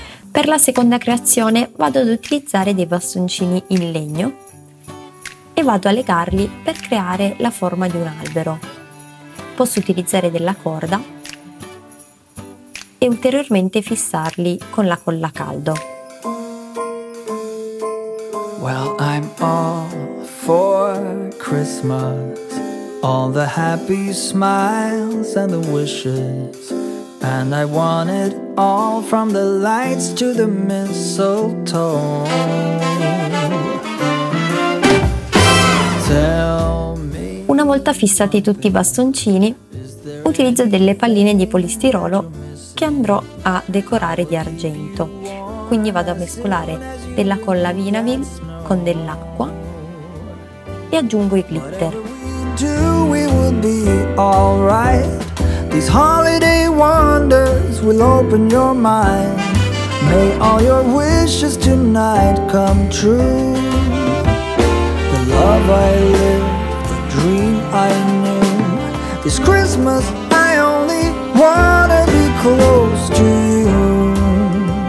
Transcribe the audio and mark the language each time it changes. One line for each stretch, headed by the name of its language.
Italian: Per la seconda creazione vado ad utilizzare dei bastoncini in legno e vado a legarli per creare la forma di un albero. Posso utilizzare della corda e ulteriormente fissarli con la colla a caldo.
English: Well, I'm all for Christmas, all the happy smiles and the wishes, and I want it all from the lights to the mistletoe. Tell me.
Italian: Una volta fissati tutti i bastoncini, utilizzo delle palline di polistirolo che andrò a decorare di argento. Quindi vado a mescolare della colla Vinavil con dell'acqua e aggiungo i glitter.
English: These holiday wonders will open your mind. May all your wishes tonight come true. The love I live, the dream I knew. This Christmas I only wanna be close to you.